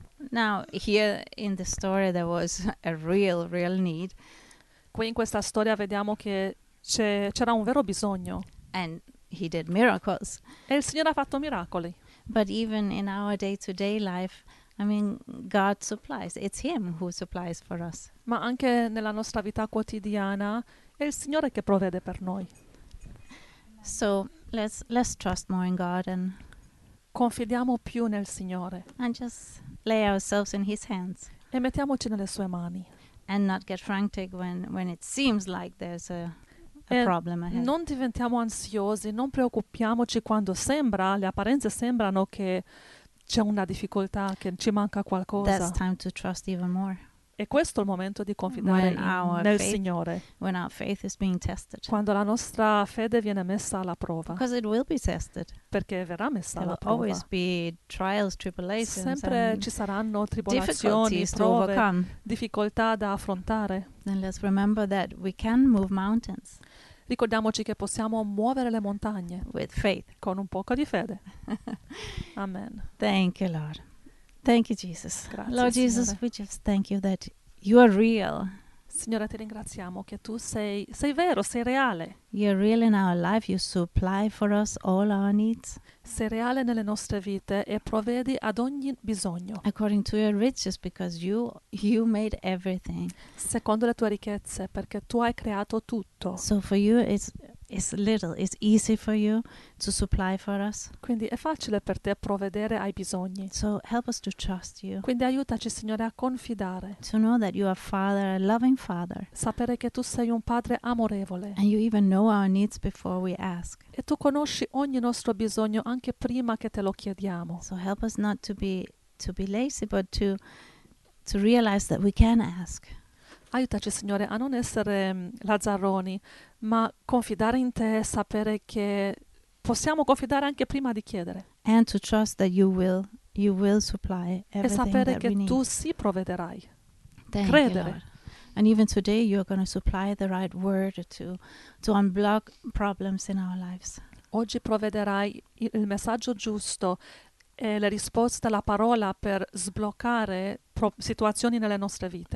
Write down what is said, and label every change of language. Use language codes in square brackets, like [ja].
[en] Now, here in the story there was a real, real need. [it] Qui in questa storia vediamo che c'era un vero bisogno. [en] And he did miracles. [it] E il Signore ha fatto miracoli. [en] But even in our day-to-day life, I mean, God supplies. It's him who supplies for us. [it] Ma anche nella nostra vita quotidiana è il Signore che provvede per noi. [en] So let's trust more in God and [it] confidiamo più nel Signore. [en] And just lay ourselves in his hands. [it] E mettiamoci nelle sue mani. [en] And not get frantic when it seems like there's a problem ahead. [it] Non diventiamo ansiosi, non preoccupiamoci quando sembra, le apparenze sembrano che c'è una difficoltà, che ci manca qualcosa. [en] That's time to trust even more. [it] E questo è il momento di confidare nel Signore. [en] When our faith is being tested. [it] Quando la nostra fede viene messa alla prova. [en] Because it will be tested. [it] Perché verrà messa [en] There [it] alla prova. [en] Always be trials, tribulations, [it] sempre [en] and [it] ci saranno tribolazioni, prove, difficoltà da affrontare. [en] And let's remember that we can move mountains. [it] Ricordiamoci che possiamo muovere le montagne. [en] With faith. [it] Con un poco di fede. Amen. [en] Thank you, Lord. Thank you, Jesus. [it] Grazie, [en] Lord Jesus, [it] Signore. [en] We just thank you that you are real. [it] Signore, ti ringraziamo che tu sei vero, sei reale. [en] You are real in our life. You supply for us all our needs. [it] Sei reale nelle nostre vite e provvedi ad ogni bisogno. [en] According to your riches, because you made everything. [it] Secondo le tue ricchezze, perché tu hai creato tutto. [en] So for you it's little, it's easy for you to supply for us. [it] Quindi è facile per te provvedere ai bisogni. [en] So help us to trust you. [it] Quindi aiutaci, Signore, a confidare. [en] To know that you are Father, a loving Father. [it] Sapere che tu sei un padre amorevole. [en] And you even know our needs before we ask. [it] E tu conosci ogni nostro bisogno anche prima che te lo chiediamo. [en] So help us not to be lazy, but to realize that we can ask. [it] Aiutaci, Signore, a non essere lazzaroni, ma confidare in te, sapere che possiamo confidare anche prima di chiedere. [en] And to trust that you will supply everything [it] e sapere [en] that [it] che [en] we need. [it] Tu sì provvederai. [en] Thank credere. You, Lord. And even today you are going to supply the right word to unblock problems in our lives. Oggi provvederai il messaggio giusto e la risposta, la parola per sbloccare situazioni nelle nostre vite.